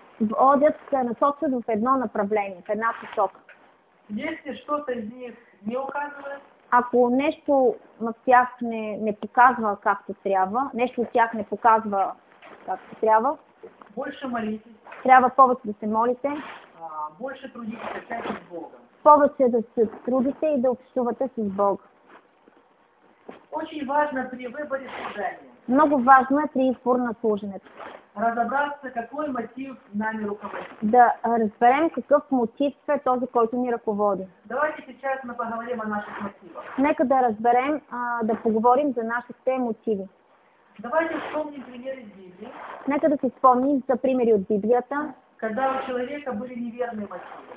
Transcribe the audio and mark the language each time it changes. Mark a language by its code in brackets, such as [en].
[bg] Водят, се насочат в едно направление, в една посока. [ru] Если что-то из них не указывает, [bg] ако нещо от тях не показва както трябва, нещо от тях не показва както трябва, [ru] больше молитесь. [bg] Трябва повече да се молите. [ru] Больше трудите се с Бога. [bg] Повече да се трудите и да общувате с Бога. [ru] Очень важно при выборе служения. [bg] Много важно е при избор на служението. [ru] Разобраться, какой мотив нами руководит. [bg] Да разберем какъв мотив е този, който ни ръководи. [ru] Давайте сейчас мы поговорим о наших мотивах. [bg] Нека да разберем, да поговорим за нашите мотиви. [ru] Давайте вспомним примеры из Библии. [bg] Нека да си спомним за примери от Библията. [ru] Когда у человека были неверные мотивы.